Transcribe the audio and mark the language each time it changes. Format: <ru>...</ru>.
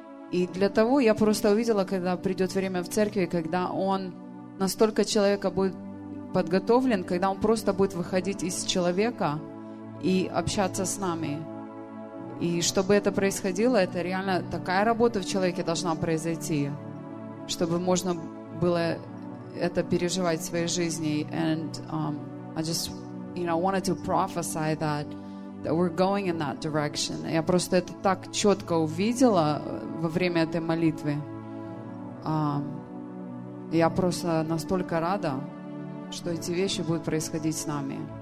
<ru>И для того я просто увидела, когда придет время в церкви, когда он настолько человека будет подготовлен, когда он просто будет выходить из человека и общаться с нами. И чтобы это происходило, это реально такая работа в человеке должна произойти, чтобы можно было это переживать в своей жизни.</ru> <en>And I just, you know, wanted to prophesy that, that we're going in that direction.</en> <ru>Я просто это так четко увидела во время этой молитвы. Я просто настолько рада, что эти вещи будут происходить с нами.</ru>